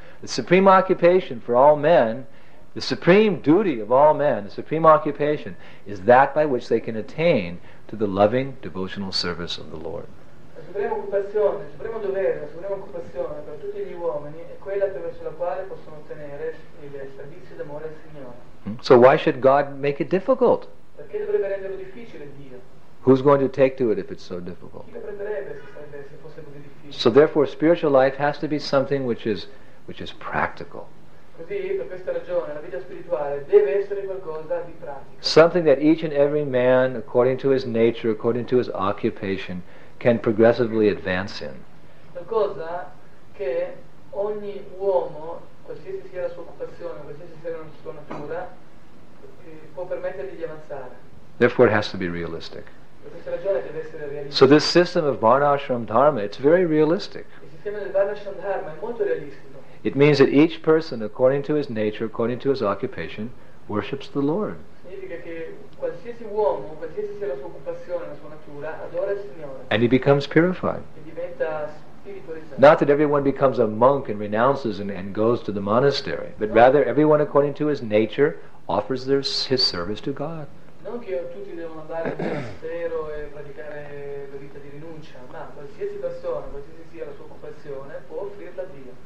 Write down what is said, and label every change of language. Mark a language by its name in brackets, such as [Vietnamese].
[English] The supreme occupation for all men, the supreme duty of all men, the supreme occupation, is that by which they can attain to the loving devotional service of the Lord. [Italian] La suprema occupazione, il supremo dovere, la suprema occupazione per tutti gli uomini è quella attraverso la quale possono ottenere il servizio d'amore al Signore. [English] So why should God make it difficult? [Italian] Perché dovrebbe renderlo difficile Dio? [English] Who's going to take to it if it's so difficult? [Italian] Chi lo prenderebbe se fosse così difficile? [English] So therefore spiritual life has to be something which is practical. [Italian] Così, per questa ragione, la vita spirituale deve essere qualcosa di pratico. [English] Something that each and every man, according to his nature, according to his occupation, can progressively advance in. [Italian] Qualcosa che ogni uomo, qualsiasi sia la sua occupazione, qualsiasi sia la sua natura, può permettergli di avanzare. [English] Therefore, it has to be realistic. [Italian] Per questa ragione deve essere realistico. [English] So this system of Varnashram Dharma, it's very realistic. [Italian] Il sistema del Varnashram Dharma è molto realistico. [English] It means that each person, according to his nature, according to his occupation, worships the Lord. [Italian] Significa che qualsiasi uomo, qualsiasi sia la sua occupazione, la sua natura, adora il Signore. [English] And he becomes purified. [Italian] E diventa spiritualizzato. [English] Not that everyone becomes a monk and renounces and goes to the monastery, but rather everyone, according to his nature, offers his service to God. [Italian] Non che tutti devono andare al monastero e praticare la vita di rinuncia, ma qualsiasi persona, qualsiasi sia la sua occupazione, può offrirla a Dio.